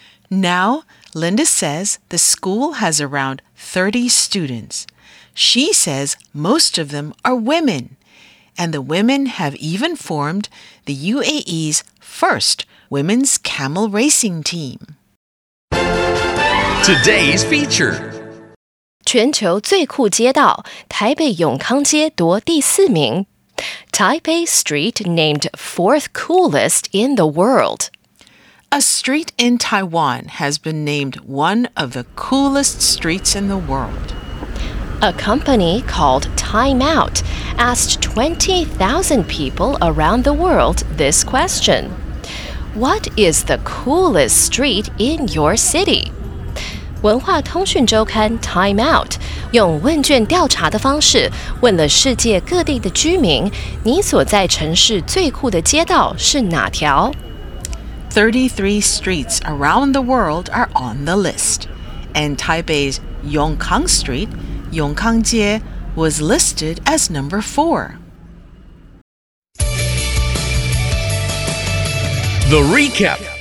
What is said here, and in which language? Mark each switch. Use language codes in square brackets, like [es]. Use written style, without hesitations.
[en] Now, Linda says the school has around 30 students. She says most of them are women, and the women have even formed the UAE's first women's camel racing team. Today's feature. [zh] 全球最酷街道, 台北永康街夺第四名. [en] Taipei Street named fourth coolest in the world. A street in Taiwan has been named one of the coolest streets in the world. A company called Time Out asked 20,000 people around the world this question. What is the coolest street in your city? [zh] 文化通讯周刊 Time Out 用问卷调查的方式问了世界各地的居民 你所在城市最酷的街道是哪条? [en] 33 streets around the world are on the list. And Taipei's Yongkang Street, Yongkangjie, was listed as number 4. The Recap.